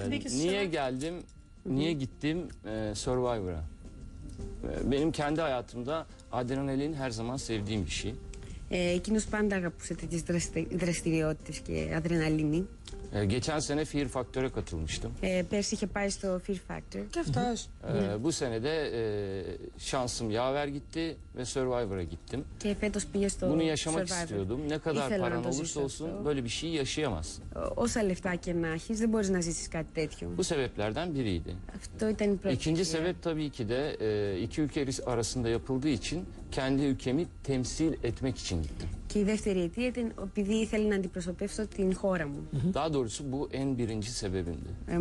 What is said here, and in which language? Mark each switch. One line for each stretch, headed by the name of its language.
Turkish: Niye geldim, niye gittim Survivor'a? Benim kendi hayatımda adrenalin her zaman sevdiğim bir şey.
Greek: Εκείνος πάντα αγαπούσε τέτοιες δραστηριότητες και αδρεναλίνη.
Turkish: Geçen sene Fear Factor'a katılmıştım.
Greek: Πέρσι είχε πάει στο Fear Factor. Και αυτός.
Turkish: Bu sene de şansım yaver gitti ve Survivor'a gittim.
Greek: Και φέτος πήγε στο
Turkish: Survivor. Bunu yaşamak istiyordum. Ne kadar paran olursa olsun böyle bir şey yaşayamazsın.
Greek: Όσα λεφτά και να έχεις δεν μπορείς να ζήσεις κάτι τέτοιο.
Turkish: Bu sebeplerden biriydi.
Greek: Αυτό ήταν η πρώτη.
Turkish: İkinci sebep tabii ki de iki ülke arasında yapıldığı için kendi ülkemi temsil etmek için gittim.
Greek: Και η δεύτερη αιτία ήταν επειδή ήθελα να αντιπροσωπεύσω την χώρα μου.
Turkish: Daha doğrusu bu en birinci sebebimdi.